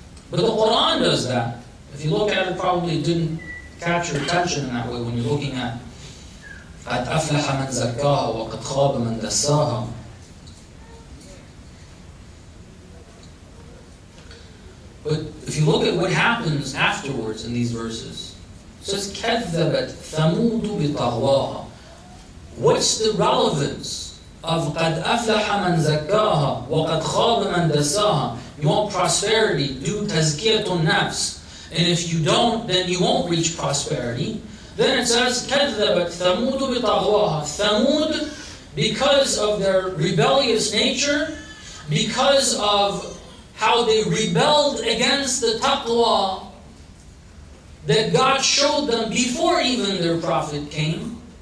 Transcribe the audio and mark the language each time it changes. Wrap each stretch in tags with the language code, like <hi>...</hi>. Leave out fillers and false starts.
<en>But the Quran does that. If you look at it, probably it didn't catch your attention in that way when you're looking at</en> <ar>قَدْ أَفْلَحَ مَنْ زَكَّاهَا وَقَدْ خَابَ مَنْ دَسَّاهَا.</ar> <en>But if you look at what happens afterwards in these verses, it says</en> <ar>كَذَّبَتْ ثَمُودُ بِطَغْوَاهَا.</ar> <en>What's the relevance of</en> <ar>قَدْ أَفْلَحَ مَنْ زَكَّاهَا وَقَدْ خَابَ مَنْ دَسَّاهَا?</ar> <en>You want prosperity, do tazkiyatun nafs. And if you don't, then you won't reach prosperity. Then it says</en> <ar>كَذَّبَتْ ثَمُودُ بِطَغْوَاهَا.</ar> <en>Thamud, because of their rebellious nature, because of how they rebelled against the taqwa that God showed them before even their prophet came.</en>